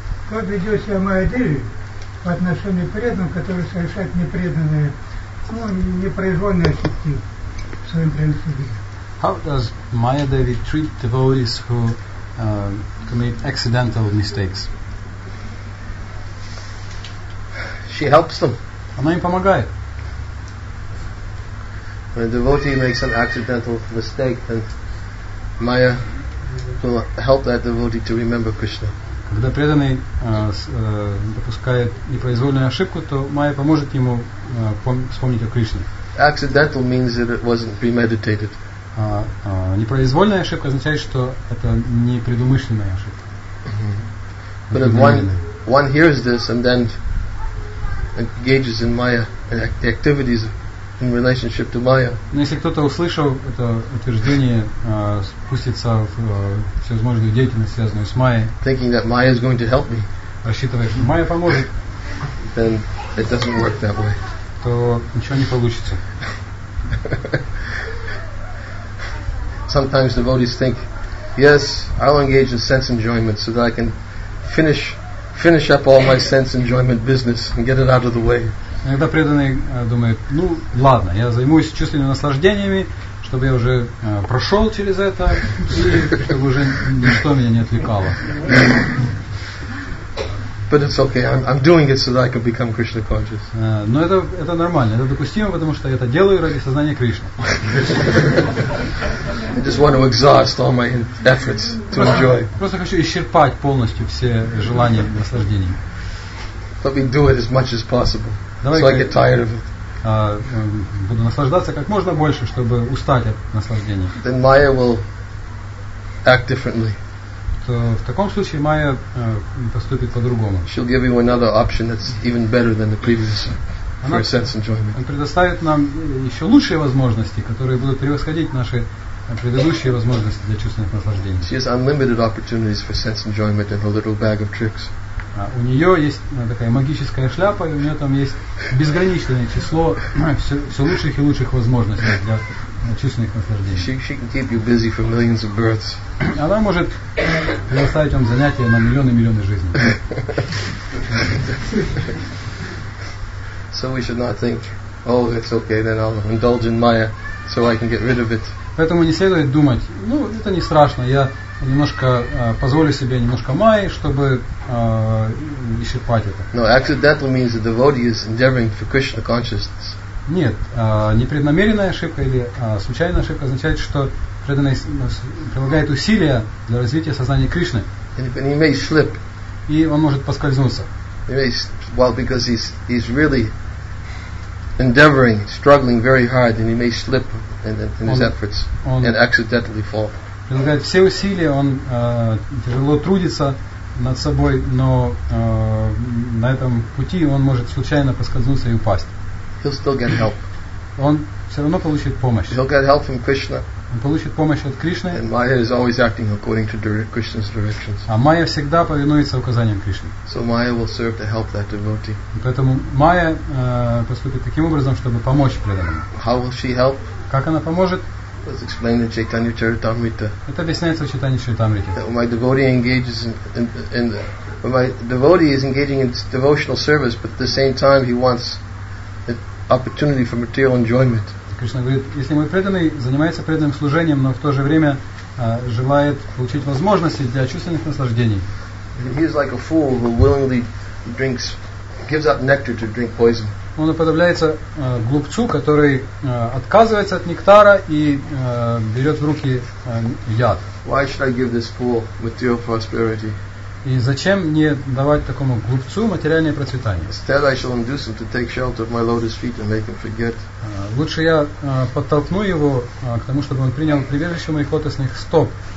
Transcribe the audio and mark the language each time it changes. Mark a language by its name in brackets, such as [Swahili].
[Russian] Как ведет себя Майя Деви по отношению к преданным, которые совершают непреданные, ну, непроизвольные ошибки в своем принципе? [English] How does Maya Devi treat devotees who commit accidental mistakes? She helps them. [Russian] Она им помогает. [English] When a devotee makes an accidental mistake, then Maya will help that devotee to remember Krishna. [Russian] Когда преданный допускает непроизвольную ошибку, то Майя поможет ему вспомнить о Кришне. [English] Accidental means that it wasn't premeditated. [Russian] Непроизвольная ошибка означает, что это не предумышленная ошибка. Mm-hmm. [English] But if one hears this and then engages in Maya and activities in relationship to Maya. [Russian] Но если кто-то услышал это утверждение, спустится в всевозможную деятельность, связанную с Майей, [English] thinking that Maya is going to help me, [Russian] рассчитывая, что Майя поможет, [English] then it doesn't work that way. [Russian] То ничего не получится. [English] Sometimes devotees think, yes, I'll engage in sense enjoyment so that I can finish up all my sense enjoyment business and get it out of the way. [Russian] Иногда преданные думают, ну ладно, я займусь чувственными наслаждениями, чтобы я уже прошел через это, и чтобы уже ничто меня не отвлекало. [English] But it's okay, I'm doing it so that I can become Krishna conscious. [Russian] Но это нормально, это допустимо, потому что я это делаю ради сознания Кришны. [English] I just want to exhaust all my efforts to enjoy. [Russian] Просто хочу исчерпать полностью все желания наслаждений. [English] Let me do it as much as possible. [Russian] Давай, [English] so I get tired of it. [Russian] Буду наслаждаться как можно больше, чтобы устать от наслаждений. [English] Then Maya will act differently. [Russian] То в таком случае Майя поступит по-другому. [English] She'll give you another option that's even better than the previous for sense enjoyment. [Russian] Она предоставит нам еще лучшие возможности, которые будут превосходить наши предыдущие возможности для чувственных наслаждений. [English] She has unlimited opportunities for sense enjoyment and a little bag of tricks. [Russian] У нее есть такая магическая шляпа, и у нее там есть безграничное число все лучших и лучших возможностей для чувственных наслаждений. [English] She can keep you busy for millions of births. [Russian] Она может предоставить вам занятия на миллионы и миллионы жизней. [English] So we should not think, oh, it's okay, then I'll indulge in Maya so I can get rid of it. [Russian] Поэтому не следует думать, ну, это не страшно, я немножко позволю себе немножко Майи, чтобы исчерпать это. [English] No, accidental means the devotee is endeavoring for Krishna consciousness. [Russian] Нет, непреднамеренная ошибка или случайная ошибка означает, что преданный прилагает усилия для развития сознания Кришны. [English] And he may slip. [Russian] И он может поскользнуться. [English] He may, well, because he's really endeavoring, struggling very hard, and he may slip in his efforts and accidentally fall. [Russian] Прилагает все усилия, он тяжело трудится над собой, но на этом пути он может случайно поскользнуться и упасть. [English] He'll still get help. [Russian] Он все равно получит помощь. [English] He'll get help from Krishna. [Russian] Он получит помощь от Кришны. [English] And Maya is always acting according to Krishna's directions. [Russian] А Майя всегда повинуется указаниям Кришны. [English] So Maya will serve to help that devotee. [Russian] Поэтому Майя поступит таким образом, чтобы помочь преданному. [English] How will she help? [Russian] Как она поможет? [English] Was explained in Chaitanya Charitamrita. [Russian] Это объясняется в Чайтанья Чаритамрите. [English] When my devotee engages in when my devotee is engaging in devotional service, but at the same time he wants an opportunity for material enjoyment. [Russian] Кришна говорит, если мой преданный занимается преданным служением, но в то же время желает получить возможности для чувственных наслаждений. [English] He is like a fool who willingly drinks, gives up nectar to drink poison. [Russian] он уподобляется глупцу, который отказывается от нектара и берет в руки яд. [English] Why should I give this fool material prosperity? [Russian] И зачем мне давать такому глупцу материальное процветание? [English] Instead, I shall induce him to take shelter of my lotus feet and make him forget. [Russian] Лучше я подтолкну его к тому, чтобы он принял прибежище моих лотосных стоп.